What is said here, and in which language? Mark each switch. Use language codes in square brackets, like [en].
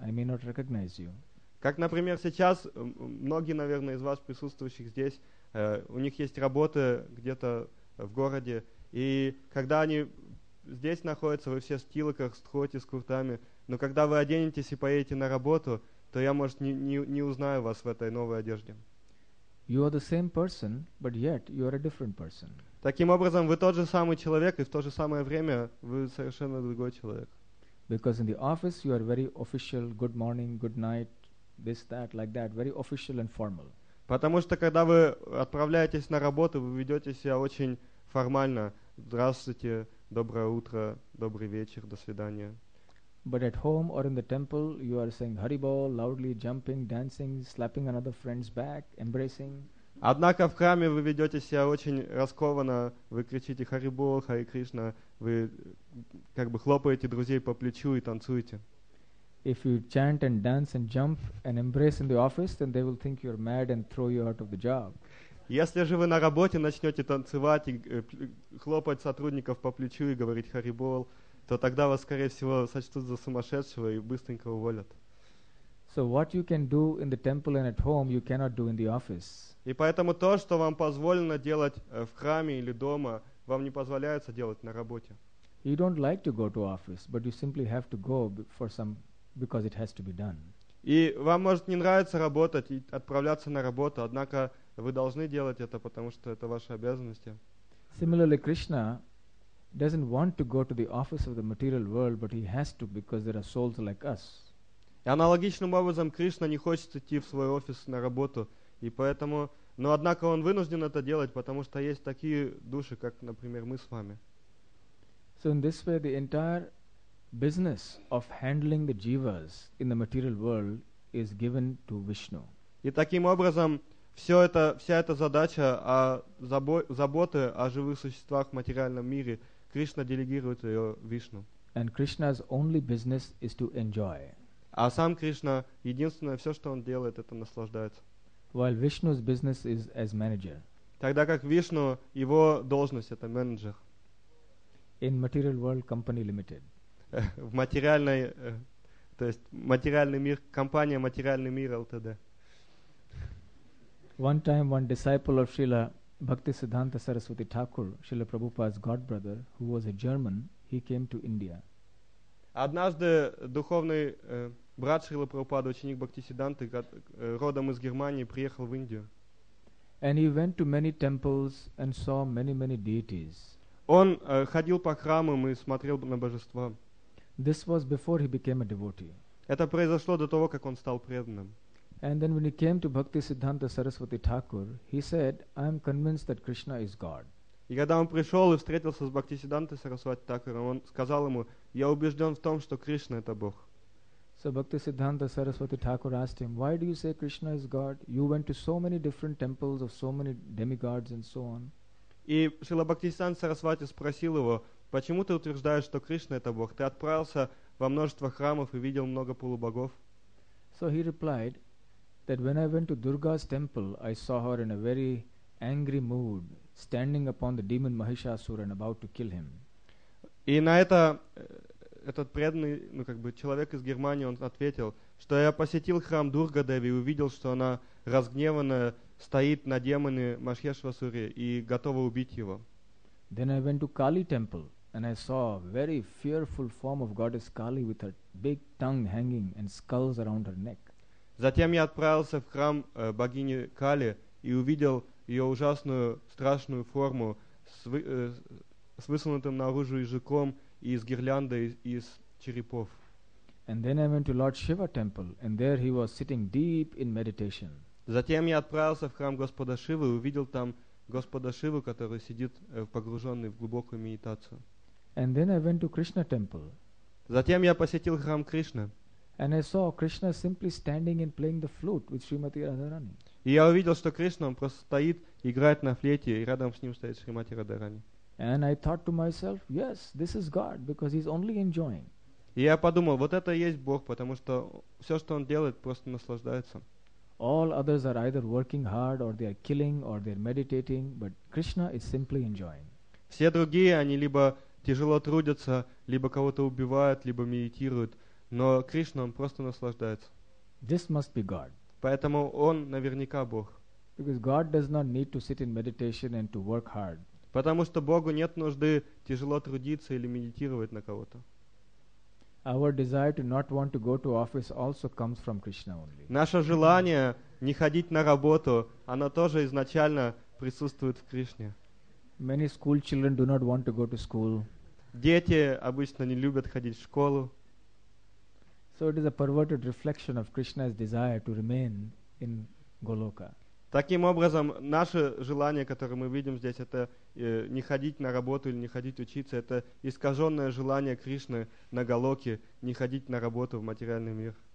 [en] I may not recognize you. [ru] Как, например, сейчас многие, наверное, из вас, присутствующих здесь, у них есть работа где-то в городе, и когда они здесь находятся, вы все в тилаках, с дхоти, с куртами, но когда вы оденетесь и поедете на работу, то я, может, не узнаю вас в этой новой одежде. [en] You are the same person, but yet you are a different person. [ru] Таким образом, вы тот же самый человек, и в то же самое время вы совершенно другой человек. [en] Because in the office you are very official, good morning, good night, this, that, like that, very official and formal. [ru] Потому что когда вы отправляетесь на работу, вы ведете себя очень формально. Здравствуйте, доброе утро, добрый вечер, до свидания. [en] But at home or in the temple, you are saying Haribol, loudly jumping, dancing, slapping another friend's back, embracing. [ru] Однако в храме вы ведете себя очень раскованно, вы кричите Харибол, Хари Кришна, вы как бы хлопаете друзей по плечу и танцуете. [en] If you chant and dance and jump and embrace in the office, then they will think you are mad and throw you out of the job. [ru] Если же вы на работе начнете танцевать и хлопать сотрудников по плечу и говорить Харибол, то тогда вас, скорее всего, сочтут за сумасшедшего и быстренько уволят. [en] So what you can do in the temple and at home, you cannot do in the office. [ru] И поэтому то, что вам позволено делать в храме или дома, вам не позволяется делать на работе. [en] You don't like to go to office, but you simply have to go for some, because it has to be done. [ru] И вам может не нравиться работать и отправляться на работу, однако вы должны делать это, потому что это ваши обязанности. [en] Similarly, Krishna doesn't want to go to the office of the material world, but he has to, because there are souls like us. [ru] И аналогичным образом Кришна не хочет идти в свой офис на работу, и поэтому, но однако он вынужден это делать, потому что есть такие души, как, например, мы с вами. [en] So in this way, the entire business of handling the jivas in the material world is given to Vishnu. [ru] И таким образом все это, вся эта задача о заботе о живых существах в материальном мире Кришна делегирует ее Вишну. [en] And Krishna's only business is to enjoy. [ru] А сам Кришна единственное все, что он делает, это наслаждается. [en] While Vishnu's business is as manager. [ru] Тогда как Вишну его должность это менеджер. [en] In material world company limited. [ru] В материальной, то есть материальный мир, компания материальный мир ЛТД. [en] One time one disciple of Srila Bhakti Siddhanta Saraswati Thakur, Srila Prabhupada's godbrother, who was a German, he came to India. [ru] Однажды духовный брат Шрила Прабхупада, ученик Бхакти Сидданты, родом из Германии, приехал в Индию. [en] And he went to many temples and saw many, many deities. [ru] Он ходил по храмам и смотрел на божества. [en] This was before he became a devotee. [ru] Это произошло до того, как он стал преданным. [en] And then when he came to Bhakti Siddhanta Saraswati Thakur, he said, I am convinced that Krishna is God. [ru] И когда он пришел и встретился с Бхакти Сиддханта Сарасвати Такуром, он сказал ему, я убежден в том, что Кришна это Бог. [en] So Bhakti Siddhanta Saraswati Thakur asked him, why do you say Krishna is God? You went to so many different temples of so many demigods and so on. [ru] И Шрила Бхакти Сиддханта Сарасвати спросил его, почему ты утверждаешь, что Кришна это Бог? Ты отправился во множество храмов и видел много полубогов. [en] So he replied that when I went to Durga's temple, I saw her in a very angry mood, standing upon the demon Mahishasura and about to kill him. [ru] И на это этот преданный, ну как бы человек из Германии, он ответил, что я посетил храм Дурга Деви и увидел, что она разгневанно стоит на демоне Махишасуре и готова убить его. [en] Then I went to Kali temple and I saw a very fearful form of goddess Kali with her big tongue hanging and skulls around her neck. [ru] Затем я отправился в храм богини Кали и увидел ее ужасную, страшную форму с высунутым наружу языком и с гирляндой из черепов. [en] And then I went to Lord Shiva temple, and there he was sitting deep in meditation. [ru] Затем я отправился в храм Господа Шивы и увидел там Господа Шивы, который сидит погруженный в глубокую медитацию. [en] And then I went to Krishna temple. [ru] Затем я посетил храм Кришны. [en] And I saw Krishna simply standing and playing the flute with Srimati Radharani. [ru] И я увидел, что Кришна просто стоит, играет на флейте, и рядом с ним стоит Шримати Радхарани. [en] And I thought to myself, yes, this is God, because he's only enjoying. [ru] И я подумал, вот это и есть Бог, потому что все, что он делает, просто наслаждается. [en] All others are either working hard, or they are killing, or they are meditating, but Krishna is simply enjoying. [ru] Все другие, они либо тяжело трудятся, либо кого-то убивают, либо медитируют, но Кришна, он просто наслаждается. [en] This must be God. [ru] Поэтому он наверняка Бог. [en] Because God does not need to sit in meditation and to work hard. [ru] Потому что Богу нет нужды тяжело трудиться или медитировать на кого-то. [en] Our desire to not want to go to office also comes from Krishna only. [ru] Наше желание не ходить на работу, оно тоже изначально присутствует в Кришне. [en] Many school children do not want to go to school. [ru] Дети обычно не любят ходить в школу. [en] So it is a perverted reflection of Krishna's desire to remain in Goloka. [ru] Таким образом, наше желание, которое мы видим здесь, это не ходить на работу или не ходить учиться, это искаженное желание Кришны на Голоке не ходить на работу в материальный мир.